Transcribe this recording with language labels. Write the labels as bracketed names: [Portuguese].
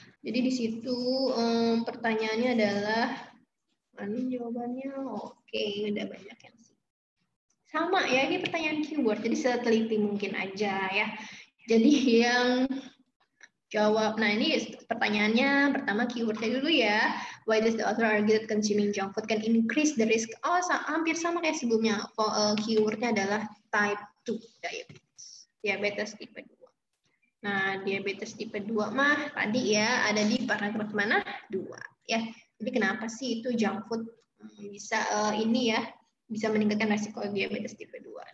[Indonesian] Jadi di situ pertanyaannya adalah mana jawabannya? Oke, udah banyak yang sih. Sama ya, ini pertanyaan keyword. Jadi seteliti mungkin aja ya. Jadi yang jawab, nah ini pertanyaannya, pertama keywordnya dulu ya. [English] Why does the author argue that consuming junk food can increase the risk? [Indonesian] Oh, hampir sama kayak sebelumnya. Keywordnya adalah type 2 diabetes. Diabetes tipe 2. Nah, diabetes tipe 2 mah tadi ya, ada di paragraf mana? 2. Ya. Jadi kenapa sih itu junk food bisa ini ya, bisa meningkatkan risiko diabetes tipe 2.